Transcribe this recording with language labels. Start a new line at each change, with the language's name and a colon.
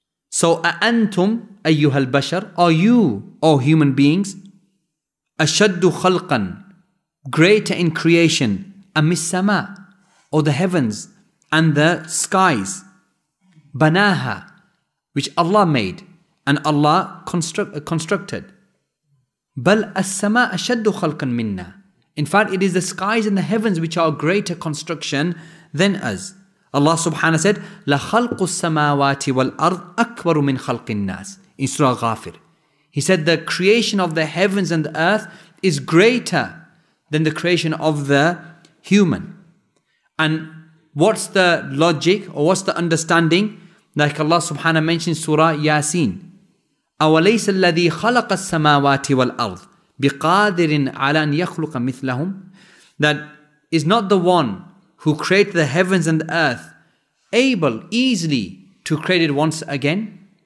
English: So,
Arabic: أَأَنْتُمْ أَيُّهَا الْبَشَرِ,
English: are you, O human beings,
Arabic: أَشَدُّ خَلْقًا,
English: greater in creation,
Arabic: أَمِ السَّمَاءِ,
English: or the heavens and the skies,
Arabic: بَنَاهَا,
English: which Allah made and Allah constructed.
Arabic: بَلْ السَّمَاءَ أَشَدُّ خَلْقًا مِنَّا.
English: In fact, it is the skies and the heavens which are greater construction than us. Allah subhanahu said,
Arabic: لَخَلْقُ السَّمَاوَاتِ وَالْأَرْضِ أَكْبَرُ مِنْ خَلْقِ النَّاسِ,
English: in Surah Ghafir. He said, the creation of the heavens and the earth is greater than the creation of the human. And what's the logic, or what's the understanding? Like Allah subhanahu mentioned Surah Yasin,
Arabic: أَوَلَيْسَ الَّذِي خَلَقَ السَّمَاوَاتِ وَالْأَرْضِ بِقَادِرٍ عَلَىٰ أَنْ يَخْلُقَ مِثْلَهُمْ,
English: that is not the one who created the heavens and the earth able easily to create it once again?